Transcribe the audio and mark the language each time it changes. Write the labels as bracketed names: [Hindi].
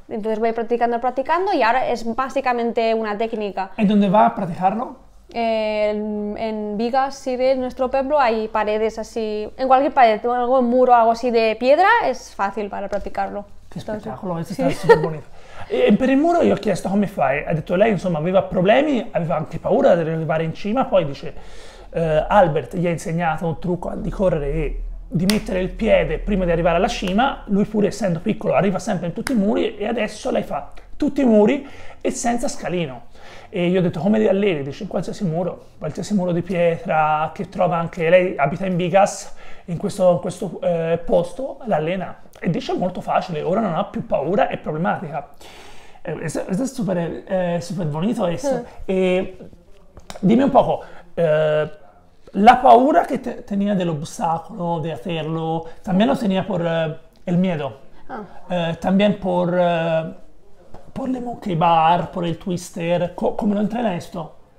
[Spanish] Entonces voy practicando y ahora es básicamente una técnica. ¿En dónde va a practicarlo? En vigas y de nuestro pueblo hay paredes así, en cualquier pared, tengo algún muro o algo así de piedra, es fácil para practicarlo. Qué espectáculo, esto sí. Está súper bonito. [Italian] E per il muro io ho chiesto come fai, ha detto lei insomma aveva problemi, aveva anche paura di arrivare in cima, poi dice Albert gli ha insegnato un trucco di correre e di mettere il piede prima di arrivare alla cima, lui pur essendo piccolo arriva sempre in tutti i muri e adesso lei fa tutti i muri e senza scalino. E io ho detto come di allevi, dice in qualsiasi muro di pietra che trova anche, lei abita in Vigas, in questo posto l'allena e dice molto facile, ora non ha più paura, è problematica. Questo è super, super bonito adesso. Mm. E dimmi un poco, la paura che tenia dell'ostacolo, di [Spanish] hacerlo, también lo tenia por el miedo, también por... Por le monkey bar, por el twister, ¿cómo lo entrena esto?